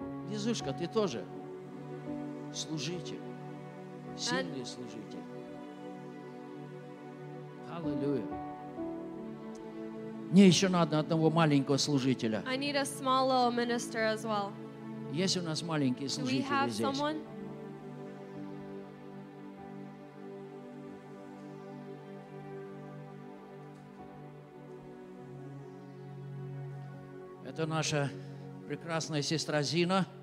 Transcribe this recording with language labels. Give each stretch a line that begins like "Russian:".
Russian: Везушка, ты тоже служитель. Сильный And... служитель. Аллилуйя. Мне еще надо одного маленького служителя.
English: I need a small little minister as well.
Russian: Есть у нас маленькие служители
English: Do we have
Russian: здесь?
English: Someone?
Russian: Это наша прекрасная сестра Зина.